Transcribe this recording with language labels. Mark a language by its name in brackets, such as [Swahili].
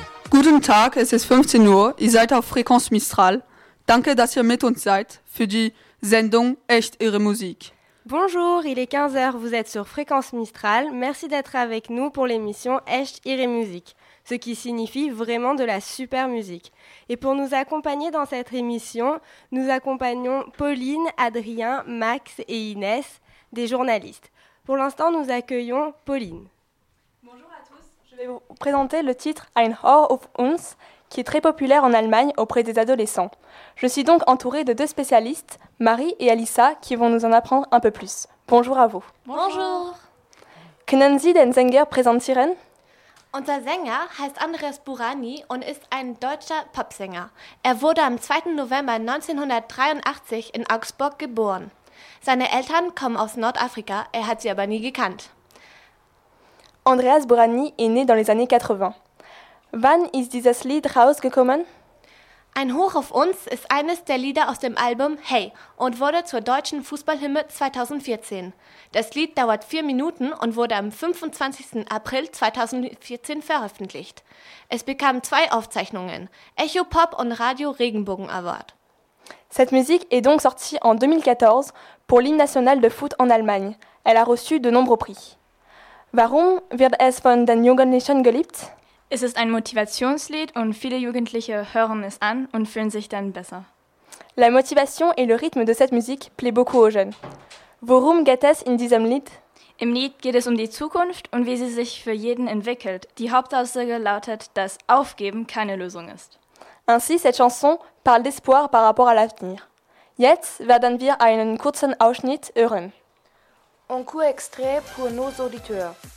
[German] Guten Tag, es ist 15 Uhr, ihr seid auf Frequenz Mistral. Danke, dass ihr mit uns seid für die Sendung Echt Ihre Musik. [French] Bonjour, il est 15h, vous êtes sur Fréquence Mistral. Merci d'être avec nous pour l'émission Echt Ihre Musik, ce qui signifie vraiment de la super musique. Et pour nous accompagner dans cette émission, nous accompagnons Pauline, Adrien, Max et Inès, des journalistes. Pour l'instant, nous accueillons Pauline. Bonjour à tous, je vais vous présenter le titre Ein Hoch auf uns, qui est très populaire en Allemagne auprès des adolescents. Je suis donc entourée de deux spécialistes, Marie et Alissa, qui vont nous en apprendre un peu plus. Bonjour à vous. Bonjour. [German] Können Sie den Sänger präsentieren? Unser Sänger heißt Andreas Burani und ist ein deutscher Popsänger. Er wurde am 2. November 1983 in Augsburg geboren. Seine Eltern kommen aus Nordafrika, er hat sie aber nie gekannt. [French] Andreas Burani est né dans les années 80. [German] Wann ist dieses Lied rausgekommen? Ein Hoch auf uns ist eines der Lieder aus dem Album Hey und wurde zur deutschen Fußballhymne 2014. Das Lied dauert 4 Minuten und wurde am 25. April 2014 veröffentlicht. Es bekam 2 Aufzeichnungen, Echo Pop und Radio Regenbogen Award. [French] Cette musique est donc sortie en 2014 pour l'hymne national de foot en Allemagne. Elle a reçu de nombreux prix. [German] Warum wird es von den Jugendlichen geliebt? Es ist ein Motivationslied und viele Jugendliche hören es an und fühlen sich dann besser. [French] La motivation et le rythme de cette musique plaît beaucoup aux jeunes. [German] Worum geht es in diesem Lied? Im Lied geht es um die Zukunft und wie sie sich für jeden entwickelt. Die Hauptaussage lautet, dass Aufgeben keine Lösung ist. [French] Ainsi, cette chanson parle d'espoir par rapport à l'avenir. [German] Jetzt werden wir einen kurzen Ausschnitt hören. [French] Un court extrait pour nos auditeurs.